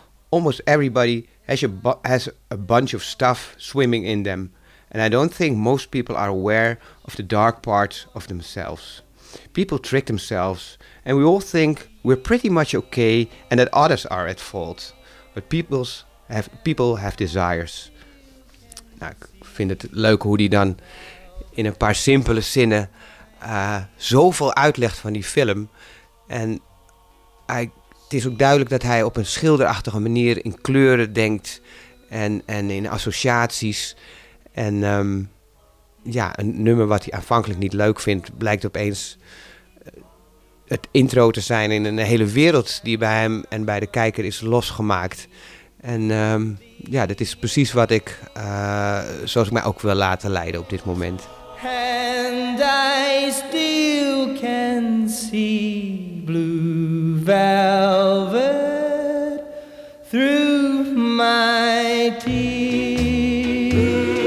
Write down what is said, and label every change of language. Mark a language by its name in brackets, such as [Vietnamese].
[English] Almost everybody has a bunch of stuff swimming in them, and I don't think most people are aware of the dark parts of themselves. People trick themselves, and we all think we're pretty much okay and that others are at fault. But people have desires. [Dutch] Nou, ik vind het leuk hoe die dan in een paar simpele zinnen zoveel uitlegt van die film. En het is ook duidelijk dat hij op een schilderachtige manier in kleuren denkt en in associaties. En een nummer wat hij aanvankelijk niet leuk vindt, blijkt opeens het intro te zijn in een hele wereld die bij hem en bij de kijker is losgemaakt. En dat is precies wat ik, zoals ik mij ook wil laten leiden op dit moment. [English] And I still can see blue velvet through my tears.